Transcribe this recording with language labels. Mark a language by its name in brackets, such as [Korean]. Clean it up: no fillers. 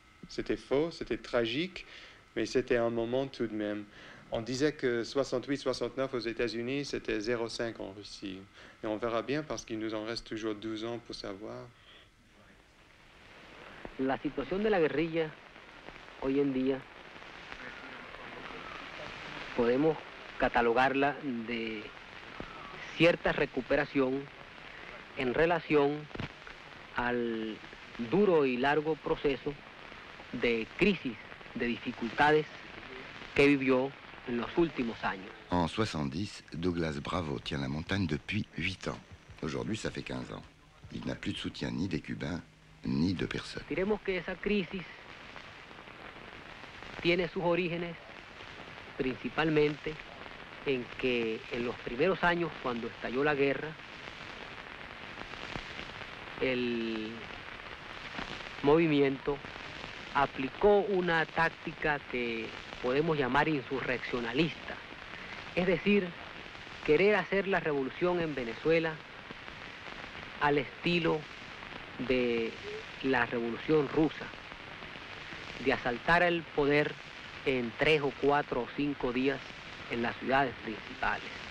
[French] C'était faux, c'était tragique, mais c'était un moment tout de même. On disait que 68-69 aux États-Unis, c'était 0,5 en Russie. Et on verra bien parce qu'il nous en reste toujours 12 ans pour savoir. [Spanish] La situación de la guerrilla hoy en día podemos catalogarla de cierta recuperación en relación al duro y largo proceso de crisis, de dificultades que vivió en los últimos años. [French] En 70, Douglas Bravo tient la montagne depuis 8 ans. Aujourd'hui, ça fait 15 ans. Il n'a plus de soutien ni des Cubains, ni de personne. [Spanish] Diremos que esa crisis tiene sus orígenes principalmente en que en los primeros años cuando estalló la guerra el movimiento aplicó una táctica que podemos llamar insurreccionalista, es decir, querer hacer la revolución en Venezuela al estilo de la revolución rusa, de asaltar el poder en 3 o 4 o 5 días en las ciudades principales.